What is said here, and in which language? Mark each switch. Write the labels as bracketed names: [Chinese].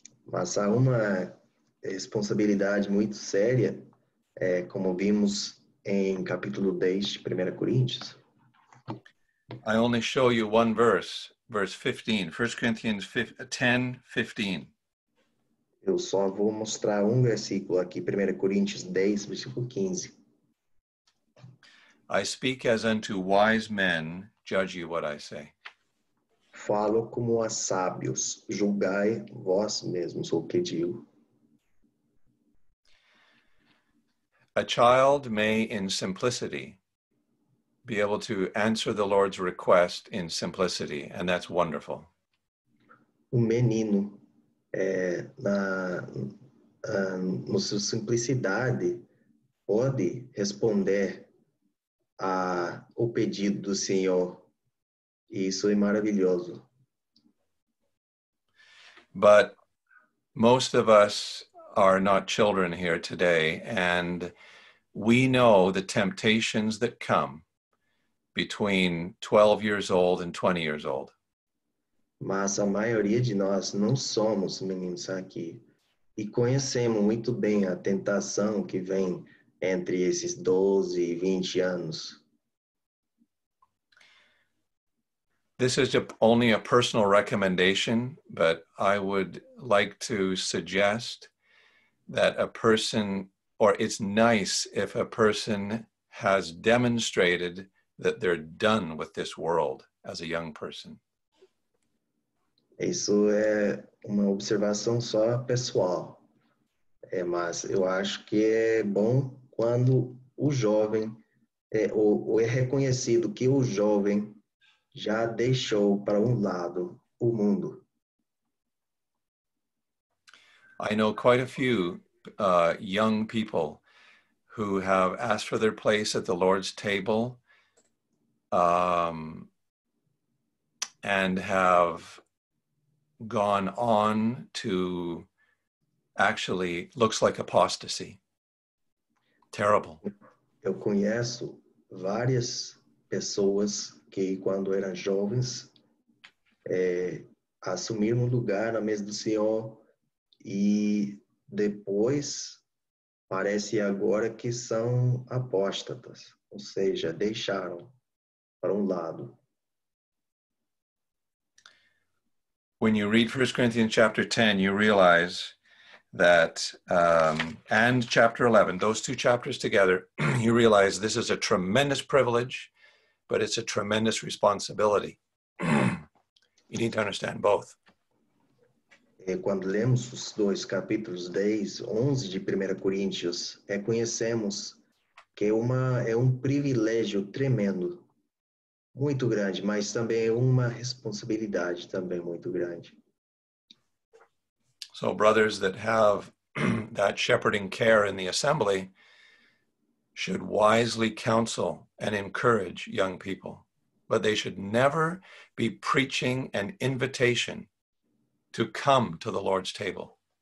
[Portuguese] Mas há uma responsabilidade muito séria, como vimos em capítulo 10 de 1 Coríntios. [English] I only show you one verse, verse 15, 1 Corinthians 10:15. [Portuguese] Eu só vou mostrar um versículo aqui, 1 Coríntios 10, versículo 15. [English] I speak as unto wise men, judge you what I say. [Portuguese] Falo como a sábios, julgai vós mesmos o que digo. [English] A child may in simplicity be able to answer the Lord's request in simplicity, and that's wonderful. [Portuguese] Um menino na sua simplicidade pode responder o pedido do Senhor, e isso é maravilhoso. [English] But most of us are not children here today, and we know the temptations that come between 12 years old and 20 years old. [Portuguese] Mas a maioria de nós não somos meninos aqui. E conhecemos muito bem a tentação que vem entre esses 12 e 20 anos. [English] This is only a personal recommendation, but I would like to suggest that a person, or it's nice if a person has demonstrated that they're done with this world as a young person. [Portuguese] Isso é uma observação só pessoal. Mas eu acho que é bom quando o jovem é reconhecido que o jovem já deixou para um lado o mundo. [English] I know quite a few young people who have asked for their place at the Lord's table and have gone on to actually looks like apostasy. Terrible. [Portuguese] Eu conheço várias pessoas que quando eram jovens assumiram um lugar na mesa do Senhor e depois parece agora que são apóstatas, ou seja, deixaram para um lado. [English] When you read 1 Corinthians chapter 10, you realize that, and chapter 11, those two chapters together, you realize this is a tremendous privilege, but it's a tremendous responsibility. You need to understand both. [Portuguese] E quando lemos os dois capítulos 10, 11 de 1 Coríntios, reconhecemos que é um privilégio tremendo, muito grande, mas também é uma responsabilidade também muito grande. [English] So brothers that have that shepherding care in the assembly should wisely counsel and encourage young people, but they should never be preaching an invitation to come to the Lord's table.